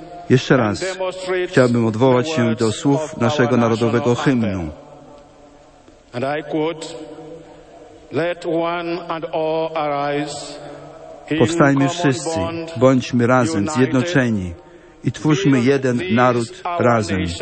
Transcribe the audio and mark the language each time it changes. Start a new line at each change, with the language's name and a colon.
Polish: Jeszcze raz chciałbym odwołać się do słów naszego narodowego hymnu.
English: And I quote, let one and all arise.
Polish: Powstajmy wszyscy, bądźmy razem, zjednoczeni i twórzmy jeden naród razem.